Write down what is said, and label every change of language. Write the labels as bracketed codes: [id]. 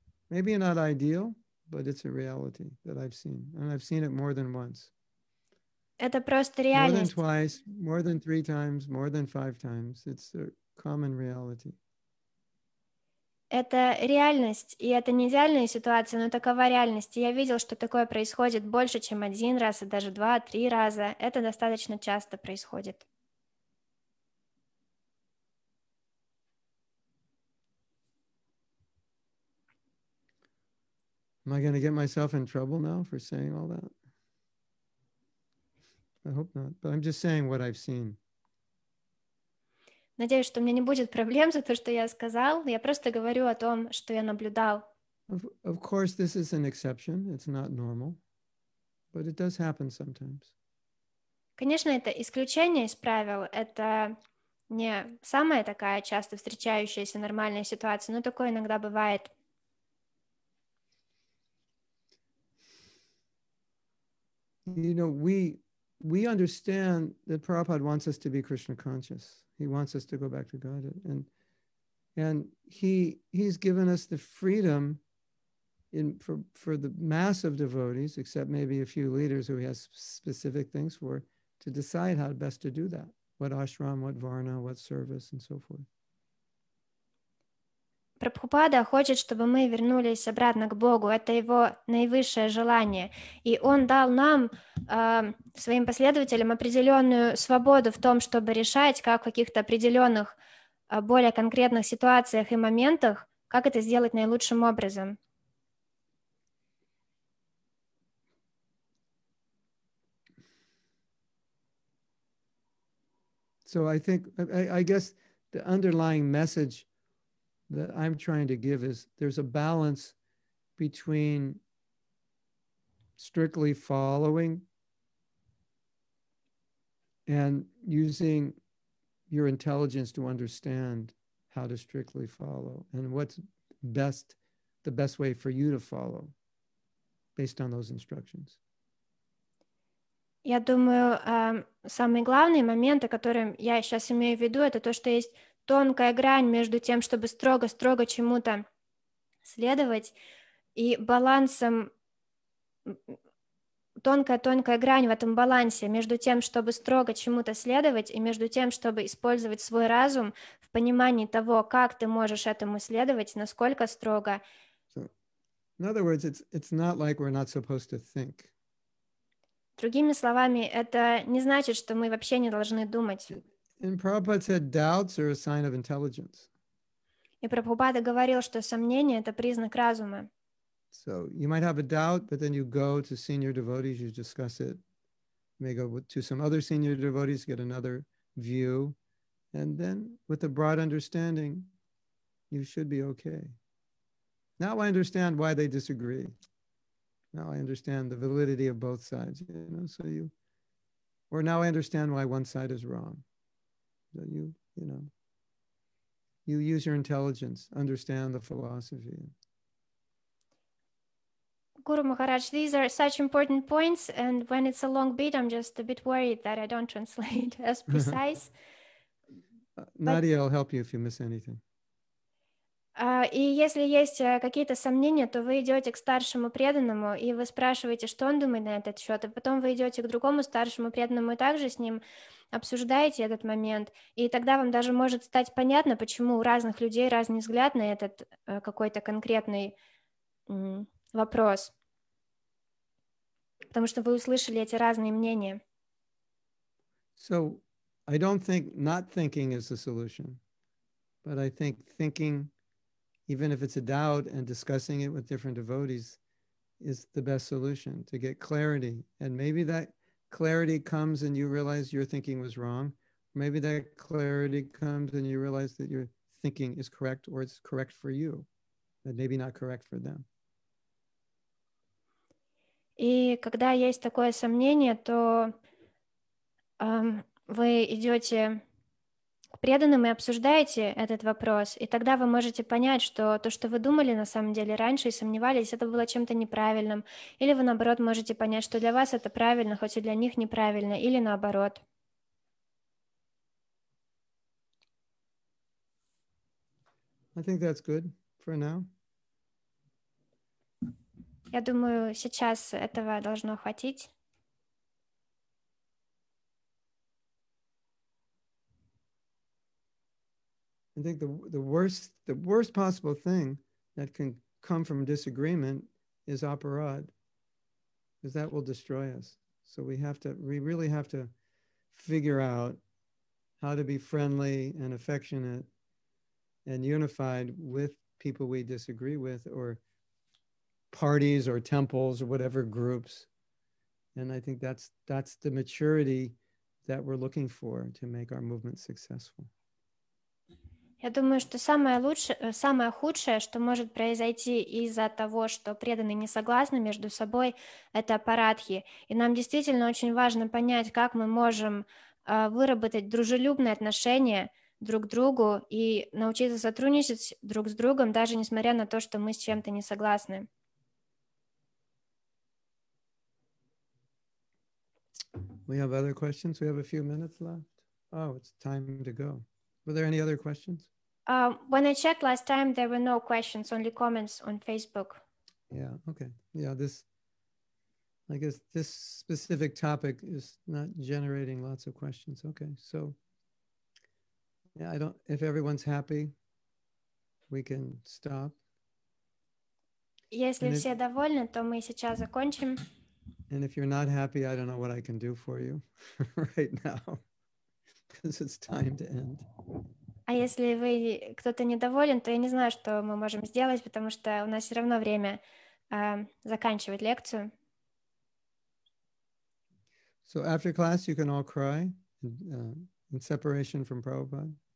[en] Maybe not ideal, but it's a reality that I've seen. And I've seen it more than once. [ru] Это просто реальность. [en] More than twice, more than three times, more than five times. It's a common reality. [ru] Это реальность, и это не идеальная ситуация, но такова реальность. И я видел, что такое происходит больше, чем один раз, и даже два, три раза. Это достаточно часто происходит. [en] Am I going to get myself in trouble now for saying all that? I hope not, but I'm just saying what I've seen. [ru] Надеюсь, что у меня не будет проблем за то, что я сказал. Я просто говорю о том, что я наблюдал. [en] Of course, this is an exception. It's not normal, but it does happen sometimes. [ru] Конечно, это исключение из правил. Это не самая такая часто встречающаяся нормальная ситуация, но такое иногда бывает. [en] You know, we understand that Prabhupada wants us to be Krishna conscious. He wants us to go back to Godhead. And he's given us the freedom in for the mass of devotees, except maybe a few leaders who he has specific things for, to decide how best to do that. What ashram, what varna, what service, and so forth. [ru] Прабхупада хочет, чтобы мы вернулись обратно к Богу. Это его наивысшее желание. И он дал нам, своим последователям, определенную свободу в том, чтобы решать, как в каких-то определенных, более конкретных ситуациях и моментах, как это сделать наилучшим образом. [en] So I think, I guess the underlying message that I'm trying to give is there's a balance between strictly following and using your intelligence to understand how to strictly follow and what's best, the best way for you to follow based on those instructions. [ru] Я думаю, самый главный момент, о котором я сейчас имею в виду, это то, что есть тонкая грань между тем, чтобы строго-строго чему-то следовать, и балансом, тонкая-тонкая грань в этом балансе между тем, чтобы строго чему-то следовать, и между тем, чтобы использовать свой разум в понимании того, как ты можешь этому следовать, насколько строго. [en] So, in other words, it's not like we're not supposed to think. [ru] Другими словами, это не значит, что мы вообще не должны думать. [en] And Prabhupada said doubts are a sign of intelligence. [ru] И Прабхупада говорил, что сомнение — это признак разума. [en] So you might have a doubt, but then you go to senior devotees, you discuss it, you may go to some other senior devotees, get another view, and then with a broad understanding, you should be okay. Now I understand why they disagree. Now I understand the validity of both sides, you know, so you, or now I understand why one side is wrong. So you use your intelligence, understand the philosophy. Guru Maharaj, these are such important points, and when it's a long bit, I'm just a bit worried that I don't translate as precise. Nadia will help you if you miss anything. [ru] И если есть какие-то сомнения, то вы идете к старшему преданному, и вы спрашиваете, что он думает на этот счет, а потом вы идете к другому старшему преданному и также с ним обсуждаете этот момент, и тогда вам даже может стать понятно, почему у разных людей разный взгляд на этот какой-то конкретный вопрос, потому что вы услышали эти разные мнения. [en] So, I don't think not thinking is the solution, but I think thinking, even if it's a doubt and discussing it with different devotees, is the best solution to get clarity. And maybe that clarity comes and you realize your thinking was wrong. Maybe that clarity comes and you realize that your thinking is correct, or it's correct for you, but maybe not correct for them. [ru] И когда есть такое сомнение, то вы идете к преданным и обсуждаете этот вопрос, и тогда вы можете понять, что то, что вы думали на самом деле раньше и сомневались, это было чем-то неправильным. Или вы, наоборот, можете понять, что для вас это правильно, хоть и для них неправильно, или наоборот. [en] I think that's good for now. [ru] Я думаю, сейчас этого должно хватить. [en] I think the worst possible thing that can come from disagreement is aparad, because that will destroy us. So we really have to figure out how to be friendly and affectionate and unified with people we disagree with, or parties or temples or whatever groups. And I think that's the maturity that we're looking for to make our movement successful. [ru] Я думаю, что самое худшее, что может произойти из-за того, что преданные не согласны между собой, это апарадхи. И нам действительно очень важно понять, как мы можем выработать дружелюбные отношения друг к другу и научиться сотрудничать друг с другом, даже несмотря на то, что мы с чем-то не согласны. [en] We have other questions. We have a few minutes left. Oh, it's time to go. Were there any other questions? When I checked last time, there were no questions, only comments on Facebook. Yeah, okay. Yeah, this specific topic is not generating lots of questions. Okay, so yeah, if everyone's happy, we can stop. [ru] Если все довольны, то мы сейчас закончим. [en] And if you're not happy, I don't know what I can do for you right now, because it's time to end. [ru] А если вы кто-то недоволен, то я не знаю, что мы можем сделать, потому что у нас все равно время заканчивать лекцию. [en] So after class, you can all cry in separation from Prabhupada.